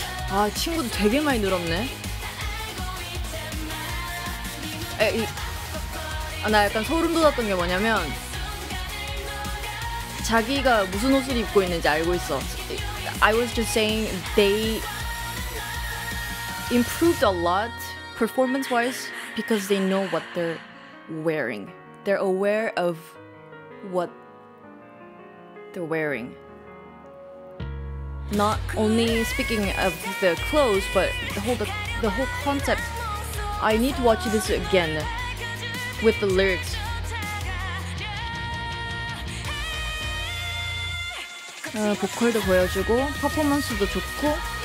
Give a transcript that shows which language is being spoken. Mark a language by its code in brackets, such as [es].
[ko] 아, 친구도 되게 많이 늘었네. 나 약간 소름 돋았던 게 뭐냐면 자기가 무슨 옷을 입고 있는지 알고 있어. [en] I was just saying they improved a lot performance wise because they know what they're wearing. They're aware of what they're wearing. Not only speaking of the clothes, but the whole concept. I need to watch this again with the lyrics. [ko] 보컬도 보여주고 퍼포먼스도 좋고.